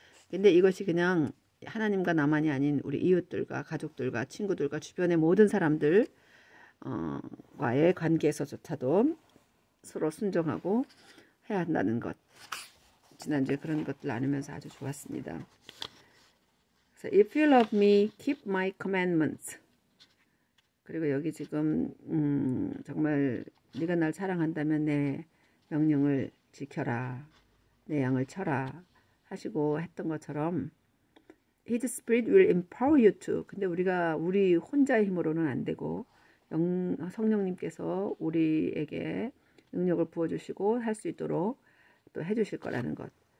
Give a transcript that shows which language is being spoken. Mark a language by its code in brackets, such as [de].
[ko] 근데 이것이 그냥 하나님과 나만이 아닌 우리 이웃들과 가족들과 친구들과 주변의 모든 사람들, 과의 관계에서조차도 서로 순종하고 해야 한다는 것. 지난주에 그런 것들을 나누면서 아주 좋았습니다. [en] So if you love me, keep my commandments. [ko] 그리고 여기 지금 정말 네가 날 사랑한다면 내 명령을 지켜라. 내 양을 쳐라. 하시고 했던 것처럼 [en] His Spirit will empower you to. [ko] 근데 우리가 우리 혼자의 힘으로는 안 되고 성령님께서 우리에게 능력을 부어주시고 할수 있도록 또 해주실 거라는 것.